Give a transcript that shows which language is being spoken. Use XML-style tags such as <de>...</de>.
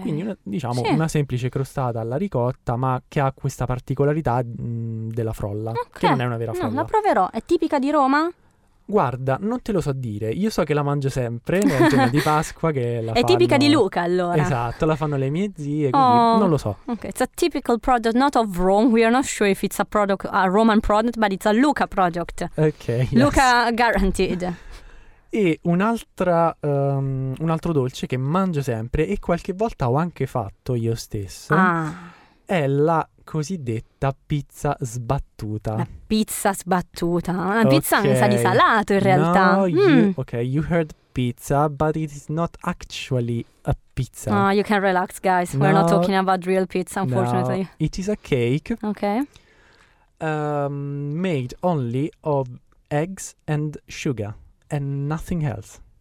<it>Quindi una semplice crostata alla ricotta, ma che ha questa particolarità della frolla, okay. Che non è una vera frolla. No, la proverò. È tipica di Roma? Guarda, non te lo so dire, io so che la mangio sempre nel giorno di Pasqua che la è tipica di Luca, allora. Esatto, la fanno le mie zie, quindi non lo so. Okay.</it> <en>It's a typical product, not of Rome, we are not sure if it's a product, a Roman product, but it's a Luca product. Ok, yes. Luca guaranteed.</en> <it>E un altro dolce che mangio sempre e qualche volta ho anche fatto io stesso. Ah. È la cosiddetta pizza sbattuta. La pizza non sa di salato in realtà.</it> <en>You heard pizza, but it is not actually a pizza. No, you can relax, guys. No, we're not talking about real pizza, unfortunately. No, it is a cake. Okay. Made only of eggs and sugar and nothing else.</en>